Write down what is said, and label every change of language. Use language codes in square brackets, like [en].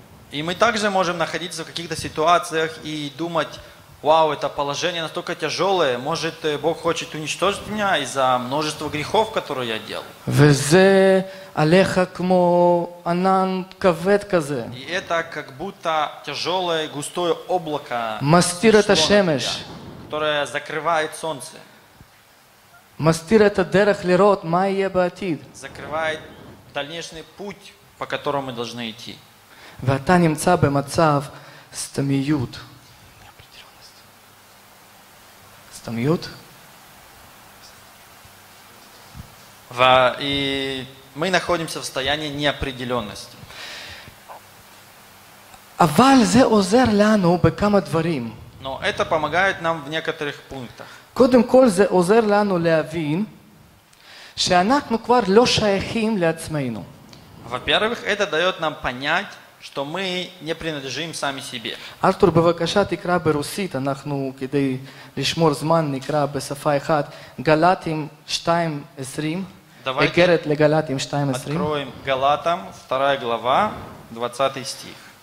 [ru] И мы также можем находиться в каких-то ситуациях и думать, вау, это положение настолько тяжелое, может Бог хочет уничтожить меня из-за множества грехов, которые я делал. [he] וזה עליך כמו ענן כבד כזה. [ru] И это как будто тяжелое густое облако. [he] מסתיר את השמש. [ru] Которое закрывает солнце. [he] מסתיר את הדרך לראות מה יהיה בעתיד. [ru] Закрывает дальнейший путь, по которому мы должны идти. [he] ואתה נמצא במצב סתמיות. סתמיות? [ru] И мы находимся в состоянии неопределенности. [he] אבל זה עוזר לנו בכמה דברים. [ru] Но это помогает нам в некоторых пунктах. [he] קודם כל זה עוזר לנו להבין שאנחנו כבר לא שייכים לעצמנו. [ru] Во-первых, это дает нам понять, что мы не принадлежим сами себе. [he] Артур, בבקשה תקרא ברוסית, אנחנו כדי לשמור זמן נקרא בשפה אחת, גלטים 2:20, אגרת לגלטים 2:20. [ru] Откроем Галатам, 2 глава, 20 стих.